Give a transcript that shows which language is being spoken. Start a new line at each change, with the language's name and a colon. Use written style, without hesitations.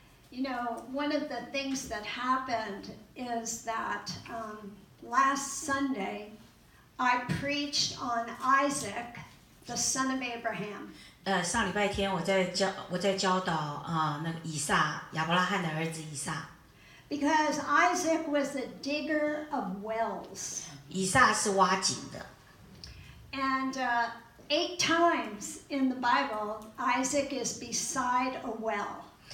English: You know, one of the things that happened is that last Sunday, I preached on Isaac, the son of Abraham.
Chinese: 上礼拜天我在教导那个以撒亚伯拉罕的儿子以撒。
English: Because Isaac was a digger of wells.
Chinese: 以撒是挖井的。
English: And eight times in the Bible, Isaac is beside a well.